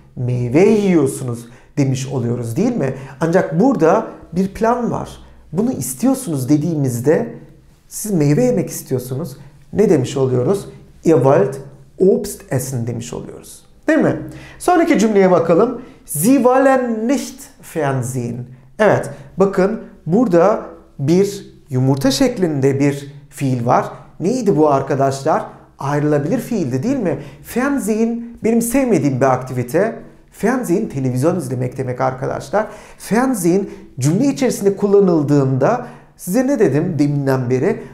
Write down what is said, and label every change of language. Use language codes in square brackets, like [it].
[tr] Meyve yiyorsunuz demiş oluyoruz değil mi? Ancak burada bir plan var. Bunu istiyorsunuz dediğimizde siz meyve yemek istiyorsunuz. Ne demiş oluyoruz? [de] Ihr wollt Obst essen [tr] demiş oluyoruz. Değil mi? Sonraki cümleye bakalım. [de] Sie wollen nicht Fernsehen. [tr] Evet, bakın burada bir yumurta şeklinde bir fiil var. Neydi bu arkadaşlar? Ayrılabilir fiildi değil mi? Fernsehen benim sevmediğim bir aktivite. Fernsehen televizyon izlemek demek arkadaşlar. Fernsehen cümle içerisinde kullanıldığında size ne dedim deminden beri?